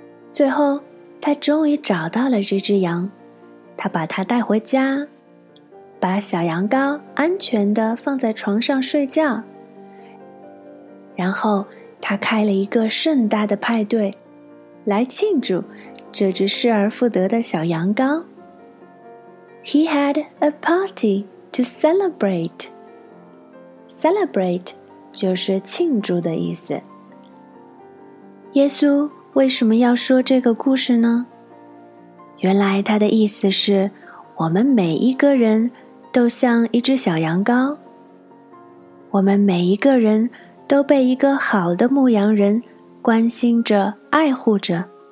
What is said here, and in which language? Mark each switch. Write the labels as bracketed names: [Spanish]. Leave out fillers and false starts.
[Chinese] 最后他终于找到了这只羊，他把它带回家，把小羊羔安全地放在床上睡觉。然后他开了一个盛大的派对，来庆祝这只失而复得的小羊羔。 [English] He had a party to celebrate. [Chinese] Celebrate 就是庆祝的意思。耶稣为什么要说这个故事呢？原来他的意思是，我们每一个人都像一只小羊羔，我们每一个人都被一个好的牧羊人关心着、爱护着。